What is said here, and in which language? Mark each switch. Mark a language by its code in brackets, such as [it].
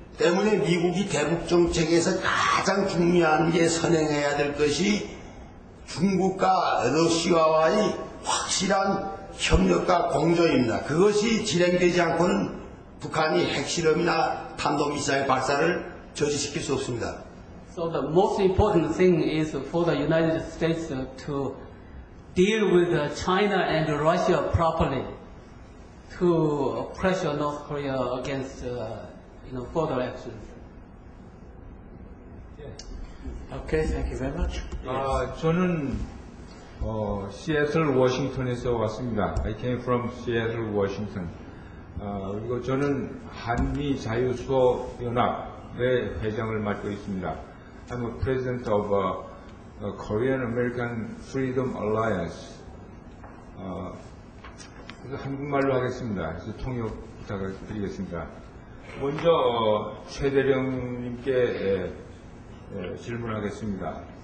[ko] 때문에 미국이 대북 정책에서 가장 중요한 게 선행해야 될 것이 중국과 러시아와의 확실한 협력과 공조입니다. 그것이 진행되지 않고는 북한이 핵실험이나 탄도미사일 발사를 저지시킬 수 없습니다. [en] So the most important thing is for the United States to deal with China and Russia properly to pressure North Korea against further actions. Okay, thank you very much. Yes. [ko] 저는 시애틀 워싱턴에서 왔습니다. [en] I came from Seattle, Washington. [ko] 그리고 저는 한미 자유수호연합의 회장을 맡고 있습니다. [en] I'm a president of a Korean American Freedom Alliance. [ko] 그래서 한국말로 하겠습니다. 그래서 통역 부탁드리겠습니다. 먼저 최대령님께 질문하겠습니다.